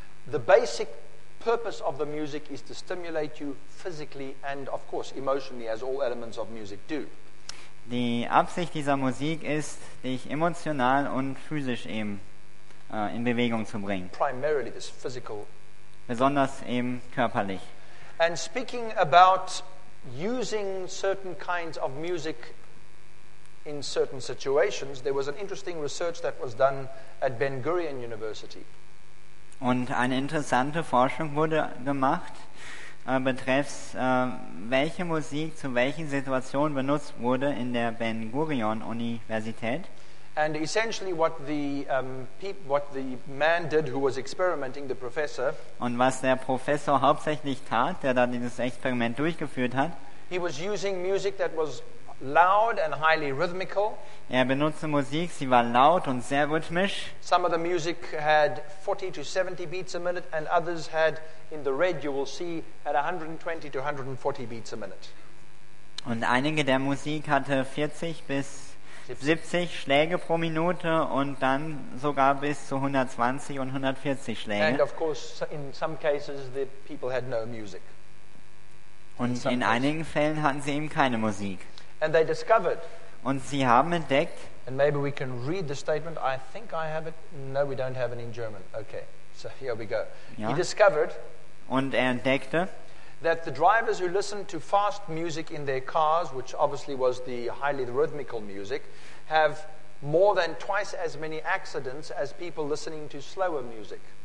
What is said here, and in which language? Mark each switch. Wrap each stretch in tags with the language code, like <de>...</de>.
<en>The basic purpose of the music is to stimulate you physically and of course emotionally, as all elements of music do.</en> <de>Die Absicht dieser Musik ist, dich emotional und physisch eben in Bewegung zu bringen.</de> <en>Primarily this physical.</en> <de>Besonders eben körperlich.</de> <en>And speaking about using certain kinds of music in certain situations, there was an interesting research that was done at Ben Gurion University.</en> <de>Und eine interessante Forschung wurde gemacht, betreffs welche Musik zu welchen Situationen benutzt wurde in der Ben Gurion Universität.</de> <en>And essentially what the what the man did who was experimenting, the professor,</en> <de>und was der Professor hauptsächlich tat, der dann dieses Experiment durchgeführt hat,</de> <en>He was using music that was loud and highly rhythmical.</en> <de>Er benutzte Musik, sie war laut und sehr rhythmisch.</de> <en>Some of the music had 40 to 70 beats a minute and others had, in the red you will see, had 120 to 140 beats a minute.</en> <de>Und einige der Musik hatte 40 bis 70 Schläge pro Minute und dann sogar bis zu 120 und 140 Schläge.</de> <en>And of course, in some cases the people had no music.</en> <de>Und in einigen Fällen hatten sie eben keine Musik.</de> <en>And they discovered,</en> <de>und sie haben entdeckt.</de> <en>And maybe we can read the statement. I think I have it. No, we don't have it in German. Okay, so here we go.</en> <de>Ja.</de> <en>He discovered,</en> <de>und er entdeckte,</de> <en>that the drivers who listened to fast music in their cars, which obviously was the highly rhythmical music, have more than twice as many accidents as people listening to slower music.</en>